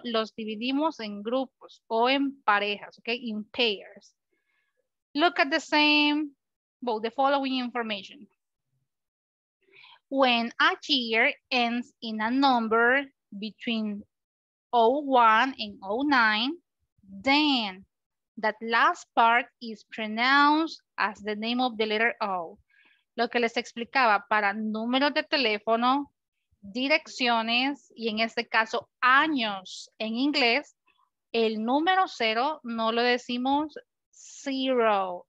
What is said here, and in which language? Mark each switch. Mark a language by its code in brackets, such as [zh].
[es] Los dividimos en grupos o en parejas, ok, [en] in pairs. Look at the same, well, the following information. When a year ends in a number between 01 and 09, then that last part is pronounced as the name of the letter O. [es] Lo que les explicaba, para números de teléfono, direcciones y en este caso años en inglés, el número cero no lo decimos zero.